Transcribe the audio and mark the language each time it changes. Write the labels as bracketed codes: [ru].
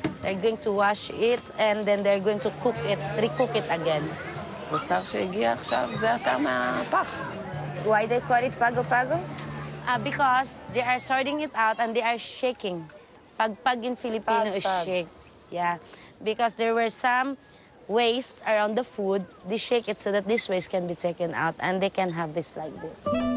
[en] They're going to wash it, and then they're going to cook it, recook it again. [he] בשר שהגיע עכשיו, זה אתה מהפח. [en] Why they call it pago pago? Because they are sorting it out and they are shaking. Pag-pag in Filipino is shake. Yeah. Because there were some waste around the food. They shake it so that this waste can be taken out and they can have this like this.